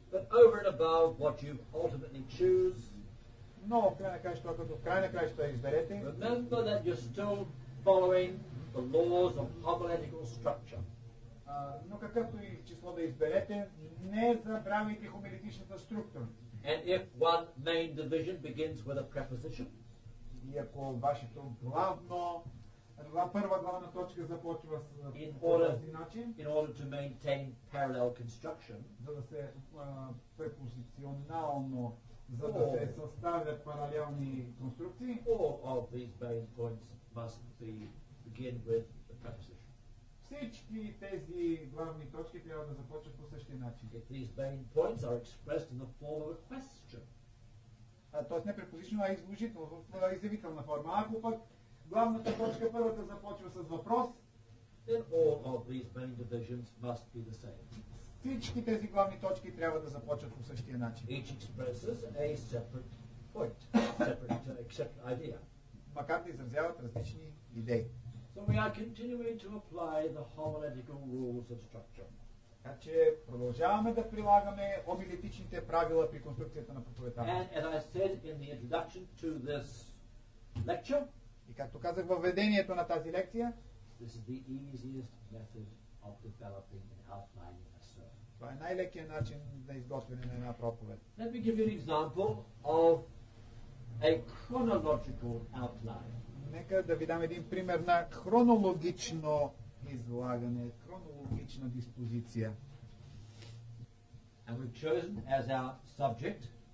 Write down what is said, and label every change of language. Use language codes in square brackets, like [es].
[en] But over and above what you ultimately choose. [bg] Но в крайна краища, изберете. [en] Remember that you're still following the laws of homiletical structure. [bg] Но какъвто и число да изберете, не забравяйте хомилетичната структура. [en] And if one main division begins with a preposition, [bg] и ако вашето главно, първа главна точка започва с този начин, [en] in order to maintain parallel construction, [bg] за да се препозиционално, за да се съставят паралелни конструкции, [en] all of these main points must be begin with a preposition. [bg] Всички тези главни точки трябва да започват по същия начин. [en] If these main points are expressed in the form of a question. [bg] Тоест не препозиционно, а изложително, в изявителна форма. Ако пък главната точка първата започва с въпрос, [en] then all of these main divisions must be the same. [bg] Всички тези главни точки трябва да започват по същия начин. [en] Each expresses a separate point, separate idea. [bg] Макар да изразяват различни идеи. [en] So we are continuing to apply the homiletical rules of structure. [bg] Значи продължаваме да прилагаме хомилетичните правила при конструкцията на проповедта. [en] And as I said in the introduction to this lecture, [bg] и както казах във введението на тази лекция, [en] this is the easiest method of developing and outlining a sermon. [bg] Това е най-лекият начин за изготвяне на една проповед. [en] Let me give you an example of a chronological outline. [bg] Нека да ви дам един пример на хронологично излагане, хронологична диспозиция. [en] And we've chosen as our subject,